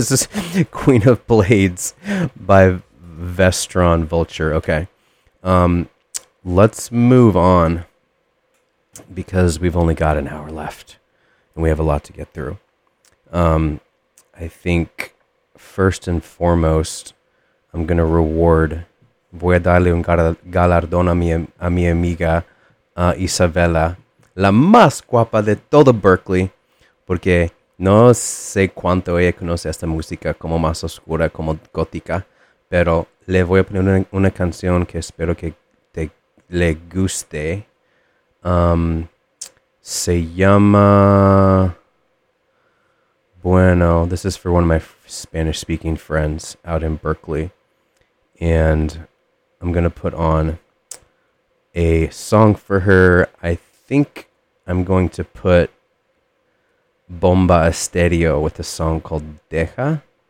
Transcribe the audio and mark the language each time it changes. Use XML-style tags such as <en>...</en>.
<en>This is Queen of Blades by Vestron Vulture. Okay. Let's move on, because we've only got an hour left, and we have a lot to get through. I think, first and foremost, I'm going to reward...</en> <es>Voy a darle un galardón a mi amiga Isabella, la más guapa de todo Berkeley, porque no sé cuánto ella conoce esta música como más oscura, como gótica, pero le voy a poner una canción que espero que le guste. Se llama, bueno,</es> <en>this is for one of my Spanish speaking friends out in Berkeley, and I'm gonna put on a song for her. I think I'm going to put Bomba Estéreo with a song called Deja.</en>